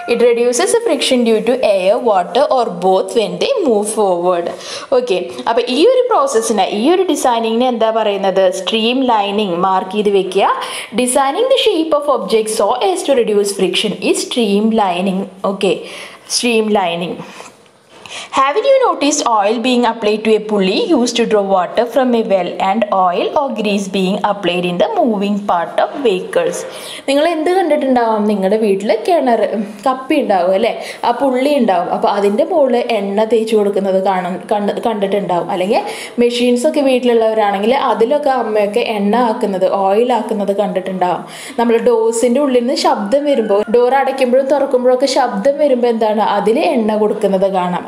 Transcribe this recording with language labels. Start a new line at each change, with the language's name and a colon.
English: It reduces the friction due to air water or both when they move forward.
Malayalam: Okay, അപ്പം ഈ ഒരു പ്രോസസ്സിനെ, ഈ ഒരു ഡിസൈനിങ്ങിനെ എന്താ പറയുന്നത്? സ്ട്രീം ലൈനിങ് മാർക്ക് ചെയ്ത് വെക്കുക.
English: Designing the shape of objects so as to reduce friction ഈ streamlining. Okay, streamlining. Haven't you noticed oil being applied to a pulley used to draw water from a well and oil or grease being applied in the moving part of vehicles?
Malayalam: നിങ്ങൾ എന്ത് കണ്ടിട്ടുണ്ടാവും? നിങ്ങളുടെ വീട്ടിൽ കിണർ കപ്പി ഉണ്ടാവും അല്ലേ, ആ പുള്ളി ഉണ്ടാവും, അപ്പോൾ അതിൻ്റെ മുകളിൽ എണ്ണ തേച്ച് കൊടുക്കുന്നത് കണ്ടിട്ടുണ്ടാവും. അല്ലെങ്കിൽ മെഷീൻസൊക്കെ വീട്ടിലുള്ളവരാണെങ്കിൽ അതിലൊക്കെ അമ്മയൊക്കെ എണ്ണ ആക്കുന്നത്, ഓയിൽ ആക്കുന്നത് കണ്ടിട്ടുണ്ടാവും. നമ്മൾ ഡോസിൻ്റെ ഉള്ളിൽ നിന്ന് ശബ്ദം വരുമ്പോൾ, ഡോർ അടയ്ക്കുമ്പോഴും തുറക്കുമ്പോഴൊക്കെ ശബ്ദം വരുമ്പോൾ എന്താണ്, അതിൽ എണ്ണ കൊടുക്കുന്നത് കാണാം.